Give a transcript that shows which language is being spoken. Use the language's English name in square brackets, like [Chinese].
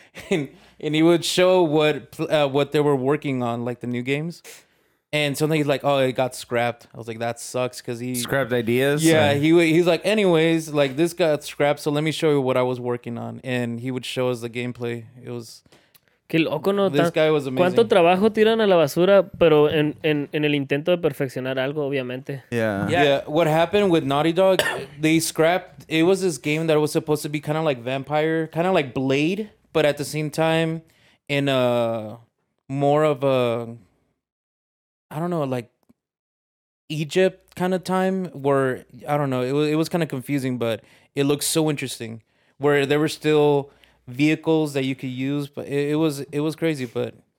[English] And he would show what they were working on, like the new games. And so then he's like, oh, it got scrapped. I was like, that sucks, because he... Scrapped ideas? Yeah, he's like, anyways, like, this got scrapped, so let me show you what I was working on. And he would show us the gameplay. It was... [Spanish] Qué loco, no, [English] this guy was amazing. [Spanish] ¿Cuánto trabajo tiran a la basura, pero en el intento de perfeccionar algo, obviamente? [English] Yeah. What happened with Naughty Dog, they scrapped... It was this game that was supposed to be kind of like Vampire, kind of like Blade, but at the same time, in a... More of a... I don't know, like Egypt kind of time, where I don't know, it was kind of confusing, but it looked so interesting, where there were still vehicles that you could use, but it was crazy, but